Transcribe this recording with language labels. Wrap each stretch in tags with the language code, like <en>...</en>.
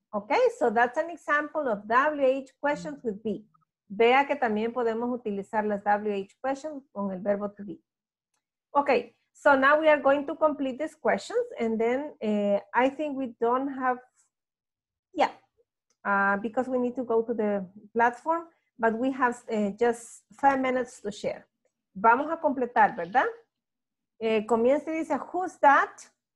<en>Okay, so that's an example of WH questions with be.</en> <es>Vea que también podemos utilizar las WH questions con el verbo to be.</es> <en>Okay, so now we are going to complete these questions and then I think we don't have, yeah, because we need to go to the platform, but we have just 5 minutes to share.</en> <es>Vamos a completar, ¿verdad? Comienza y dice,</es> <en>who's that?</en>